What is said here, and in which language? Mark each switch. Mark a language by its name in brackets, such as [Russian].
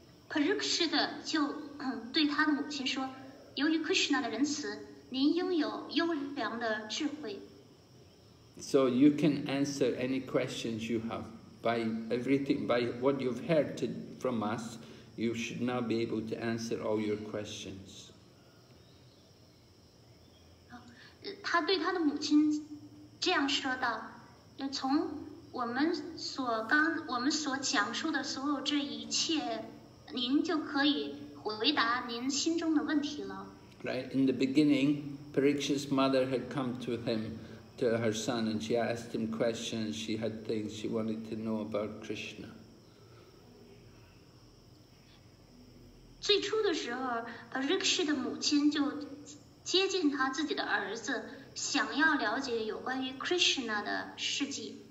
[Chinese] Parikshit 就对他的母亲说， 由于 Krishna 的仁慈， 您拥有优良的智慧。 [English] So you can answer any questions you have by everything, by what you've heard from us, you should now be able to answer all your questions. [Chinese] 他对他的母亲这样说道， 从我们所讲述的所有这一切， 您就可以回答您心中的问题了。 [English] Right, in the beginning, Parikshit's mother had come to him, to her son, and she asked him questions. She had things she wanted to know about Krishna. [Chinese] 最初的时候， Parikshit的母亲就接近他自己的儿子， 想要了解有关于Krishna的事迹。